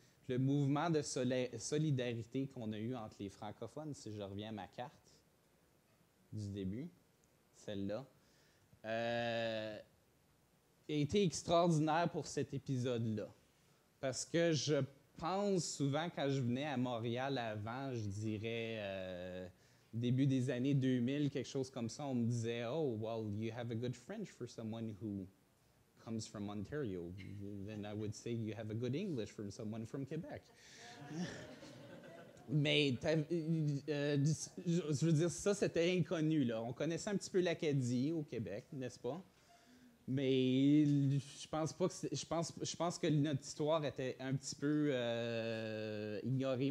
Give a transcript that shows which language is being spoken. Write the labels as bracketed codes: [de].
[fr] Le mouvement de solidarité qu'on a eu entre les francophones, si je reviens à ma carte du début, celle-là, a été extraordinaire pour cet épisode-là. Parce que je pense souvent, quand je venais à Montréal avant, je dirais début des années 2000, quelque chose comme ça, on me disait, « [en] Oh, well, you have a good French for someone who comes from Ontario, then I would say you have a good English from someone from Quebec. [fr] Mais je veux dire, ça, c'était inconnu, là. On connaissait un petit peu l'Acadie au Québec, n'est-ce pas? Mais je pense pas que je pense que notre histoire était un petit peu ignorée.